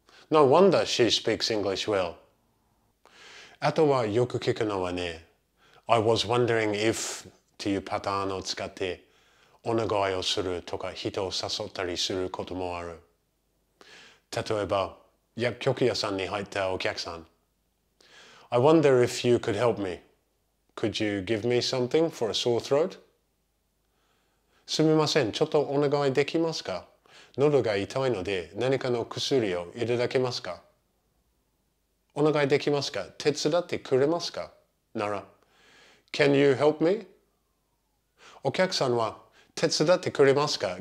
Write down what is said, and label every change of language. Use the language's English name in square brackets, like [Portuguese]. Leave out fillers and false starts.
[English] No wonder she speaks English well. [Japanese] あとはよく聞くのはね、I was wondering if というパターンを使ってお願いをするとか人を誘ったりすることもある。例えば、薬局屋さんに入ったお客さん。 [English] I wonder if you could help me. Could you give me something for a sore throat? [Japanese] すみません、ちょっとお願いできますか？喉が痛いので何かの薬を入れだけますか？お願いできますか？手伝ってくれますか？なら、 [English] Can you help me? [Japanese] お客さんは、手伝ってくれますか？